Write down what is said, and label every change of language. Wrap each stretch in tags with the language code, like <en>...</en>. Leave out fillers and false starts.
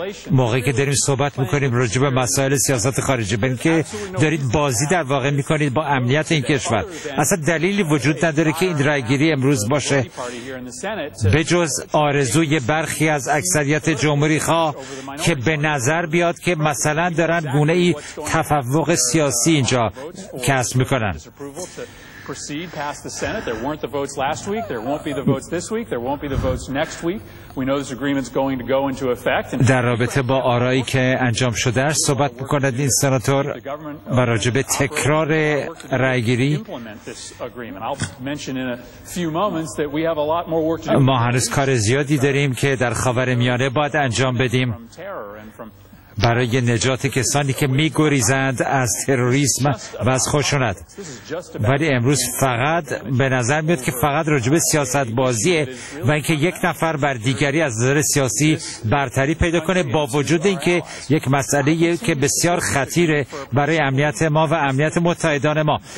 <fa>موقعی که داریم صحبت میکنیم راجع به مسائل سیاست خارجی، بین که دارید بازی در واقع میکنید با امنیت این کشور، اصلا دلیلی وجود نداره که این رای گیری امروز باشه به جز آرزوی برخی از اکثریت جمهوری خواه که به نظر بیاد که مثلا دارن گونه ای تفوق سیاسی اینجا کسب میکنن.</fa> <en>Proceed past the Senate. There weren't the votes last week. There won't be the votes this week. There won't be the votes next week. We know this agreement's going to go into effect.</en> <fa>در رابطه با آرایی که انجام شده است صحبت می‌کند این سناتور و راجع به تکرار رأی‌گیری.</fa> <en>I'll mention in a few moments that we have a lot more work to do.</en> <fa>ما هنوز کار زیادی داریم که در خاورمیانه باید انجام بدیم برای نجات کسانی که می گریزند از تروریسم و از خشونت. ولی امروز فقط به نظر میاد که فقط راجب سیاست بازیه و اینکه یک نفر بر دیگری از نظر سیاسی برتری پیدا کنه، با وجود اینکه یک مسئله که بسیار خطیره برای امنیت ما و امنیت متحدان ما.</fa>